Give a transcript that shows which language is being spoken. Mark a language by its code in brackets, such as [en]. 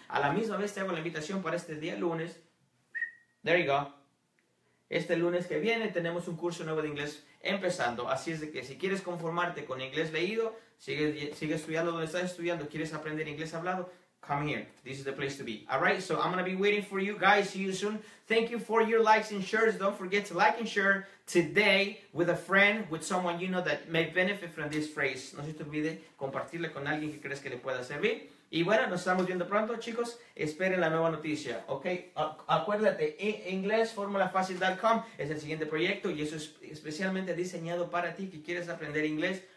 [es] A la misma vez te hago la invitación para este día lunes. [en] There you go. [es] Este lunes que viene tenemos un curso nuevo de inglés empezando. Así es de que si quieres conformarte con inglés leído, sigue estudiando donde estás estudiando, quieres aprender inglés hablado, [en] come here. This is the place to be. All right, so I'm going to be waiting for you guys. See you soon. Thank you for your likes and shares. Don't forget to like and share today with a friend, with someone you know that may benefit from this phrase. [es] No se te olvide compartirle con alguien que crees que le pueda servir. Y bueno, nos estamos viendo pronto, chicos. Esperen la nueva noticia, ¿ok? Acuérdate, inglesformulafacil.com es el siguiente proyecto y eso es especialmente diseñado para ti que quieres aprender inglés.